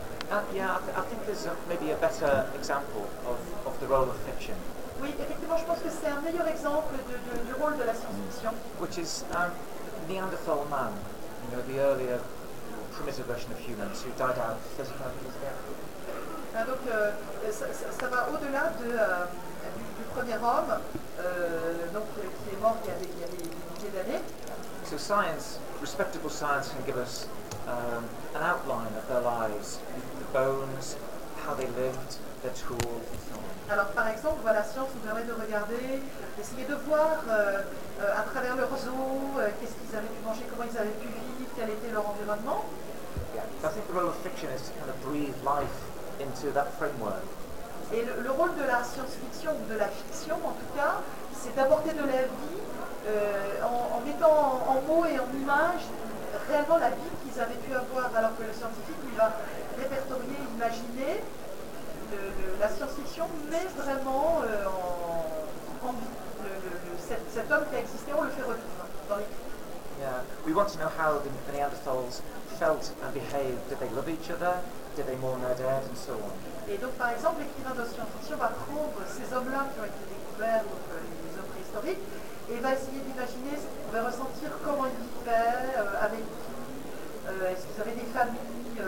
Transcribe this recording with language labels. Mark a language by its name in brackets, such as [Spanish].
[English] I think there's maybe a better example of the role of fiction. [French] Oui, effectivement, je pense que c'est un meilleur exemple du rôle de la science-fiction. [English] Which is Neanderthal man, you know, the earlier primitive version of humans who died out 35 years ago. [French] Donc, ça va au-delà du premier homme, donc qui est mort il y a des milliers d'années. [English] So science, respectable science, can give us an outline of their lives. Bones, how they lived, their tools, and so on. [French] Alors, par exemple, voilà, la science nous permet de regarder, d'essayer de voir à travers leurs os, qu'est-ce qu'ils avaient pu manger, comment ils avaient pu vivre, quel était leur environnement. [English] Yeah, I think the role of fiction is to kind of breathe life into that framework. [French] Et le rôle de la science-fiction, ou de la fiction en tout cas, c'est d'apporter de la vie en mettant en mots et en images réellement la vie qu'ils avaient pu avoir, alors que le scientifique, il va répertorier, imaginer la science-fiction, mais vraiment en vie. Cet homme qui a existé, on le fait revivre dans l'écrit. [English] Yeah. We want to know how the Neanderthals felt and behaved. Did they love each other? Did they mourn their dead? And so on. [French] Et donc, par exemple, l'écrivain de science-fiction va prendre ces hommes-là qui ont été découverts, donc les hommes préhistoriques, et va essayer d'imaginer ce qu'ils pouvaient ressentir, comment ils vivaient, avec qui, est-ce qu'ils avaient des familles.